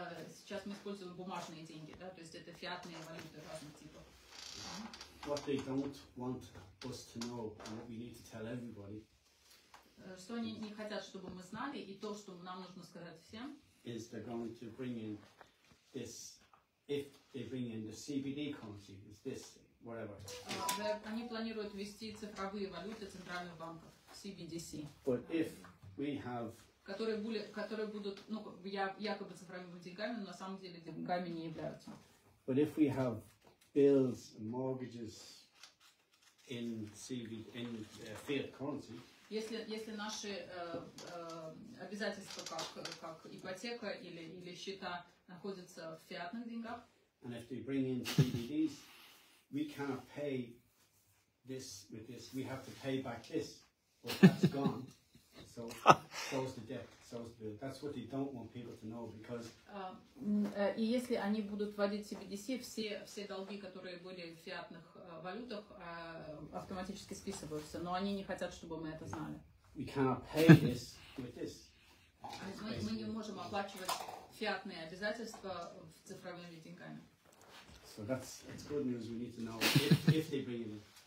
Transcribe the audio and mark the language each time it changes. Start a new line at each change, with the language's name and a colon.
Russian: Сейчас мы используем бумажные деньги, да? То есть это фиатные валюты разных типов.
English: What they don't want us to know, and what we need to tell everybody.
Russian: Что они не хотят, чтобы мы знали, и то, что нам нужно сказать всем.
English: Is they're going to bring in this if. They bring in the CBD currency, is this, whatever.
Russian: Они планируют ввести цифровые валюты центральных банков, CBDC.
English: But if we have...
Russian: Которые будут, ну, якобы цифровыми деньгами, но на самом деле деньгами не являются.
English: But if we have bills and mortgages in CBD, in fiat currency...
Russian: Если наши обязательства, как ипотека или счета, находятся в фиатных деньгах,
English: And if they bring in CBDs, we cannot pay this with this. We have to pay back this, but that's gone. So is the debt. So is the bill. That's what they don't want people to know because.
Russian: И если они будут вводить CBDC, все долги, которые были в фиатных валютах, автоматически списываются. Но они не хотят, чтобы мы это знали.
English: We cannot pay this with this.
Russian: Мы не можем оплачивать фиатные обязательства цифровыми деньгами.
English: So that's good news we need to know if they bring it in.